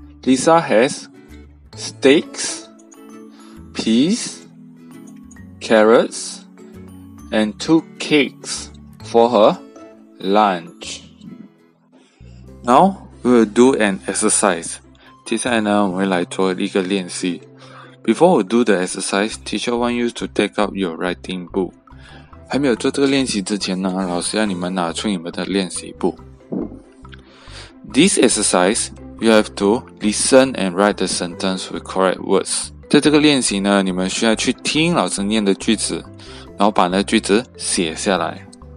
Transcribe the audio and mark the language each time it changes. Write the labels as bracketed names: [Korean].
[English] Lisa has steaks, peas, carrots, and two cakes for her lunch. Now we'll do an exercise. [Chinese] 接下来呢，我们会来做一个练习。 [English] Before we do the exercise, teacher want you to take out your writing book. [Chinese] 还没有做这个练习之前呢，老师要你们拿出你们的练习簿。 [English] This exercise, you have to listen and write the sentence with correct words. [Chinese] 在这个练习呢，你们需要去听老师念的句子，然后把那句子写下来。